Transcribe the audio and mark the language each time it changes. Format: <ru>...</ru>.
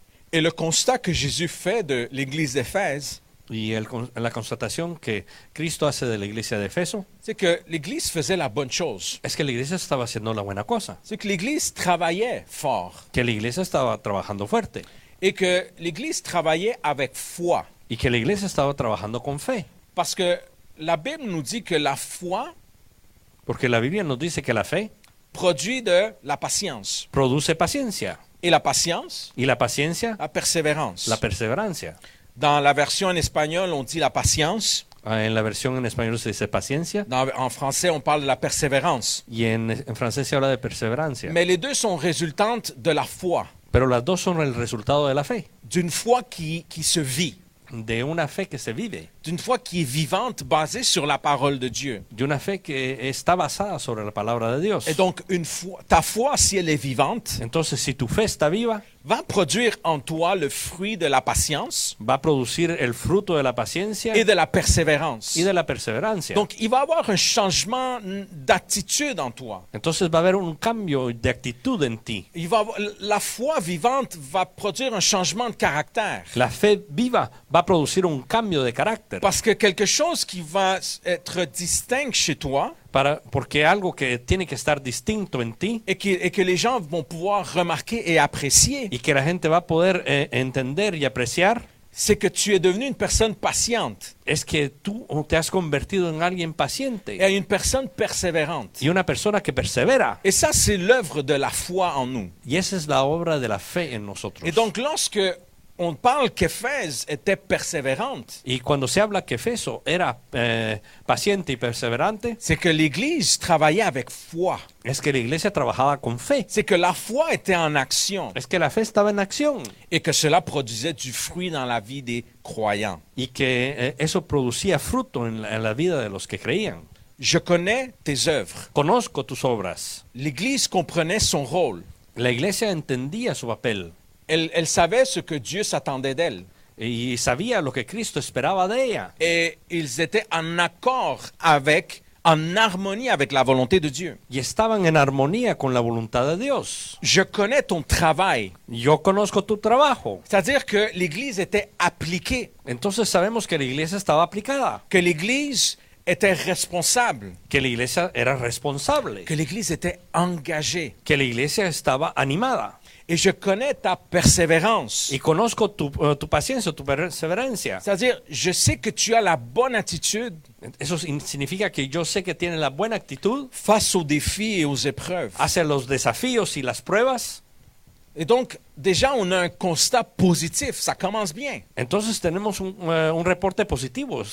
<fr>Et le constat que Jésus fait de l'église d'Éphèse,</fr> <es>y la constatación que Cristo hace de la iglesia de Éfeso,</es> <fr>c'est que l'église faisait la bonne chose.</fr> <es>Es que la iglesia estaba haciendo la buena cosa.</es> <fr>C'est que l'église travaillait fort.</fr> <es>Que la iglesia estaba trabajando fuerte.</es> <fr>Et que l'église travaillait avec foi.</fr> <es>Y que la iglesia estaba trabajando con fe.</es> <fr>Parce que la Bible nous dit que la foi,</fr> <es>porque la Biblia nos dice que la fe</es> <fr>produit de la patience.</fr> <es>Produce paciencia.</es> <fr>Et la patience?</fr> <es>Y la paciencia?</es> <fr>La persévérance.</fr> <es>La perseverancia.</es> <fr>Dans la version en espagnol, on dit la patience.</fr> <es>En la versión en español se dice paciencia.</es> <fr>En français, on parle de la persévérance.</fr> <es>Y en francés se habla de perseverancia.</es> <fr>Mais les deux sont résultantes de la foi.</fr> <es>Pero las dos son el resultado de la fe.</es> <fr>D'une foi qui se vit.</fr> <es>De una fe que se vive.</es> <fr>D'une foi qui est vivante, basée sur la parole de Dieu.</fr> <es>De una fe que está basada sobre la palabra de Dios.</es> <fr>Et donc, une foi, ta foi, si elle est vivante,</fr> <es>entonces, si tu fe está viva,</es> <fr>va produire en toi le fruit de la patience,</fr> <es>va a producir el fruto de la paciencia,</es> <fr>et de la persévérance,</fr> <es>y de la perseverancia.</es> <fr>Donc, il va avoir un changement d'attitude en toi.</fr> <es>Entonces, va a haber un cambio de actitud en ti.</es> <fr>La foi vivante va produire un changement de caractère.</fr> <es>La fe viva va a producir un cambio de carácter.</es> <fr>Parce que quelque chose qui va être distinct chez toi,</fr> <es>porque algo que tiene que estar distinto en ti,</es> <fr>y que les gens vont pouvoir remarquer et apprécier,</fr> <es>y que la gente va a poder entender y apreciar,</es> <fr>c'est que tu es devenu une personne patiente.</fr> <es>Es que tú te has convertido en alguien paciente.</es> <fr>Et une personne persévérante.</fr> <es>Y una persona que persevera.</es> <fr>Et ça, c'est l'œuvre de la foi en nous.</fr> <es>Y esa es la obra de la fe en nosotros.</es> <fr>Et donc, lorsque on parle qu'Éphèse était persévérante.</fr> <es>Y cuando se habla que Efeso era paciente y perseverante.</es> <fr>C'est que l'Église travaillait avec foi.</fr> <es>Es que la iglesia trabajaba con fe.</es> <fr>C'est que la foi était en action.</fr> <es>Es que la fe estaba en acción.</es> <fr>Et que cela produisait du fruit dans la vie des croyants.</fr> <es>Y que eso producía fruto en la vida de los que creían.</es> <fr>Je connais tes œuvres.</fr> <es>Conozco tus obras.</es> <fr>L'Église comprenait son rôle.</fr> <es>La iglesia entendía su papel.</es> <fr>Elle savait ce que Dieu s'attendait d'elle.</fr> <es>Y sabía lo que Cristo esperaba de ella.</es> <fr>Et ils étaient en accord avec, en harmonie avec la volonté de Dieu.</fr> <es>Y estaban en armonía con la voluntad de Dios.</es> <fr>Je connais ton travail.</fr> <es>Yo conozco tu trabajo.</es> <fr>C'est-à-dire que l'Église était appliquée.</fr> <es>Entonces sabemos que la Iglesia estaba aplicada.</es> <fr>Que l'Église était responsable.</fr> <es>Que la Iglesia era responsable.</es> <fr>Que l'Église était engagée.</fr> <es>Que la Iglesia estaba animada.</es> <fr>Et je connais ta persévérance.</fr> <es>Y conozco tu paciencia, tu perseverancia.</es> <fr>C'est-à-dire, je sais que tu as la bonne attitude.</fr> <es>Eso significa que yo sé que tienes la buena actitud.</es> <fr>Face aux défis et aux épreuves.</fr> <es>Hacia los desafíos y las pruebas.</es> <fr>Et donc, déjà, on a un constat positif. Ça commence bien.</fr> <es>Entonces tenemos un reporte positivo.</es>